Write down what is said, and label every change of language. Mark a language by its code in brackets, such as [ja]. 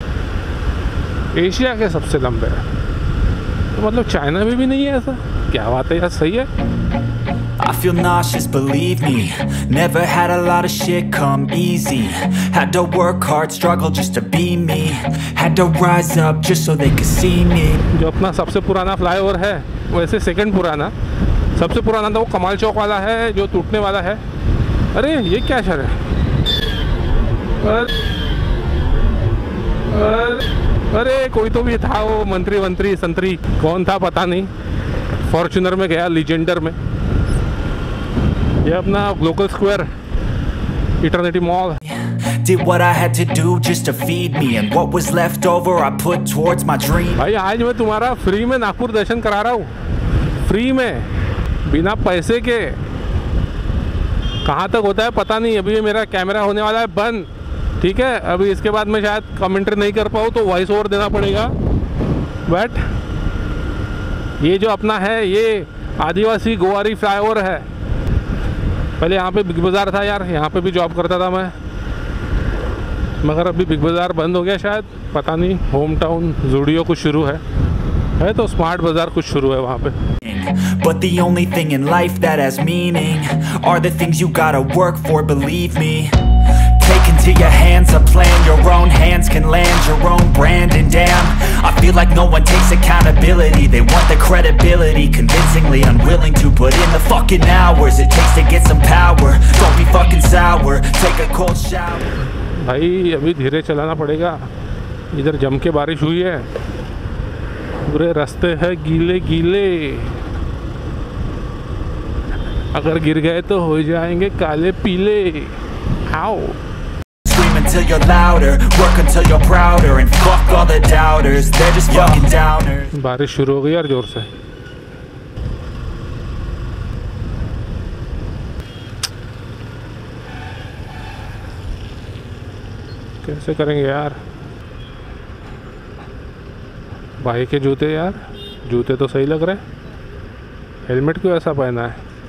[hi] Asia के सबसे लंबे, तो मतलब चाइना में भी नहीं है ऐसा, क्या बात है यार, सही है। [en] I feel nauseous, believe me. Never had a lot of shit come easy. Had to work hard, struggle just to be me. Had to rise up just so they could see me. [hi] जो अपना सबसे पुराना flyover है, वैसे second पुराना, सबसे पुराना तो वो कमाल चौक वाला है जो टूटने वाला है। अरे ये क्या शहर है? अरे कोई तो भी था, वो मंत्री वंत्री संतरी कौन था पता नहीं, फॉर्चुनर में गया, लीजेंडर में। ये अपना local square eternity mall. [en] Did what I had to do just to feed me, and what was left over I put towards my dream. [hi] भाई आज मैं तुम्हारा फ्री में नागपुर दर्शन करा रहा हूँ, फ्री में, बिना पैसे के। कहाँ तक होता है पता नहीं, अभी मेरा कैमरा होने वाला है बंद, ठीक है। अभी इसके बाद मैं शायद कमेंट्री नहीं कर पाऊँ तो वॉइस ओवर देना पड़ेगा। बट ये जो अपना है, ये आदिवासी गोवारी फ्लाईओवर है। पहले यहाँ पे बिग बाज़ार था यार, यहाँ पे भी जॉब करता था मैं, मगर अभी बिग बाज़ार बंद हो गया शायद, पता नहीं। होम टाउन जूडियो कुछ शुरू है तो स्मार्ट बाज़ार कुछ शुरू है वहाँ पे। [en] But the only thing in life that has meaning are the things you gotta work for, believe me. Take into your hands a plan, your own hands can land your own brand. And damn, I feel like no one takes accountability. They want the credibility, convincingly unwilling to put in the fucking hours it takes to get some power. Don't be fucking sour, take a cold shower. Bhai, abhi dheere chalana padega. [hi] Idhar jam ke barish hui hai, pure raste hai geele geele. अगर गिर गए तो हो जाएंगे काले पीले। [en] आओ Scream until you're louder, work until you're prouder, and fuck all the doubters, they're just fucking downers. [hi] बारिश शुरू हो गई यार जोर से। कैसे करेंगे यार, भाई के जूते यार, जूते तो सही लग रहे हैं, हेलमेट क्यों ऐसा पहना है?